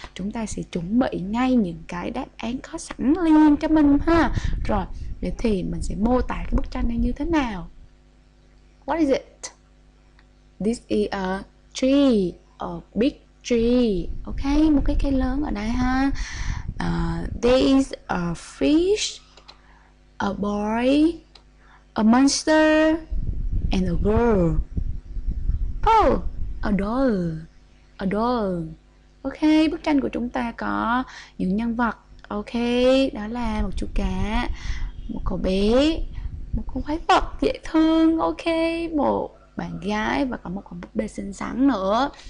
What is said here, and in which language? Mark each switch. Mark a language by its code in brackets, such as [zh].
[vi] Chúng ta sẽ chuẩn bị ngay những cái đáp án có sẵn liền cho mình ha. Rồi, vậy thì mình sẽ mô tả cái bức tranh này như thế nào? [en] What is it? This is a tree, a big tree. [vi] Ok, một cái cây lớn ở đây ha. [en] There is a fish, a boy, a monster, and a girl. Oh, a doll. [vi] Ok, bức tranh của chúng ta có những nhân vật. Ok, đó là một chú cá, một cậu bé, một con quái vật dễ thương. Ok, một bạn gái và có một con búp bê xinh xắn nữa.